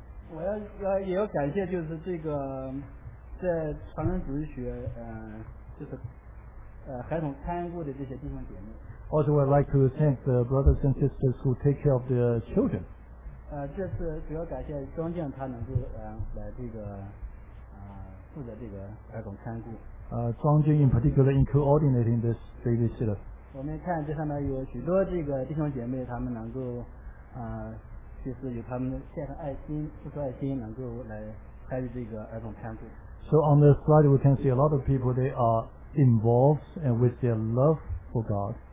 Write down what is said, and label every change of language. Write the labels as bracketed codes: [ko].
[zh] 我要感谢就是这个在传承主日学就是孩童看顾的这些弟兄姐妹。 [en] Also, I'd like to thank the brothers and sisters who take care of their children. [zh] 这次主要感谢庄静他能够来这个负责这个孩童看顾。 [en] 庄静 in particular in coordinating this babysitter. [zh] 我们看这上面有许多这个弟兄姐妹，他们能够。就是有他们献上爱心，付出爱心，能够来参与这个儿童餐会。 [en] So on the slide, we can see a lot of people. They are involved and with their love for God.